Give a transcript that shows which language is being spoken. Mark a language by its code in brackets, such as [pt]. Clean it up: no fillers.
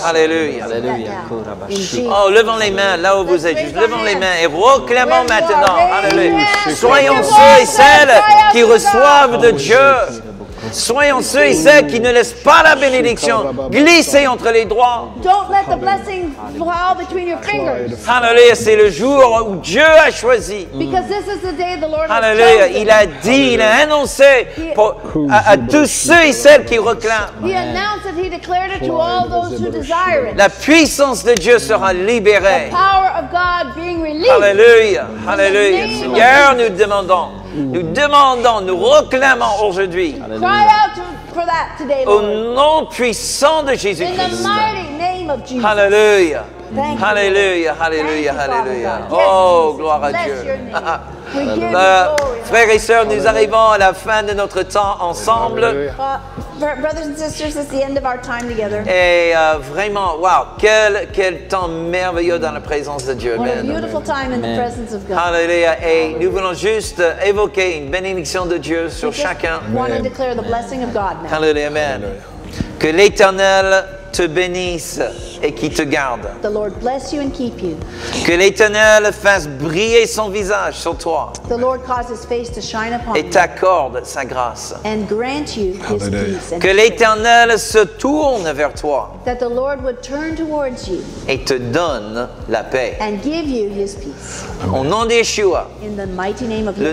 [fr] Alléluia. Oh, levons les mains là où vous êtes. Juste levons les mains et reclamons maintenant. Alléluia. Soyons ceux et celles qui reçoivent de Dieu. Soyons ceux et celles qui ne laissent pas la bénédiction glisser entre les doigts. [en] Don't let the blessing fall between your fingers. [fr] Hallelujah, c'est le jour où Dieu a choisi. [en] Because this is the day the Lord has chosen. [fr] Hallelujah, il a dit, il a annoncé à tous ceux et celles qui réclament. [en] He announced that he declared it to all those who desire it. [fr] La puissance de Dieu sera libérée. [en] The power of God being released. [fr] Hallelujah, hallelujah. Seigneur, nous demandons, nous réclamons aujourd'hui. [en] Cry out for that today, Lord. [fr] Au nom puissant de Jésus-Christ. [en] In the mighty name of Jesus. Hallelujah. Thank hallelujah. You, hallelujah. Thank hallelujah. You, hallelujah. Yes, [fr] oh, gloire à Dieu. Frères et sœurs, nous arrivons à la fin de notre temps ensemble. [en] Brothers and sisters, it's the end of our time together. [fr] Et vraiment, wow, quel temps merveilleux dans la présence de Dieu. [en] What a beautiful time in the presence of God. Hallelujah. [fr] Et nous voulons juste évoquer une bénédiction de Dieu sur chacun. [en] We want to declare the blessing of God now. Hallelujah. Amen. [fr] Que l'Éternel te bénisse et qui te garde. [en] The Lord bless you and keep you. [fr] Que l'Éternel fasse briller son visage sur toi. [en] The Lord cause his face to shine upon [fr] et t'accorde sa grâce. [en] And grant you his peace. [fr] Que l'Éternel se tourne vers toi. [en] That the Lord would turn towards you. [fr] Et te donne la paix. [en] And give you his peace. [fr] Au nom de Yeshua. [en] In the mighty name of Yeshua.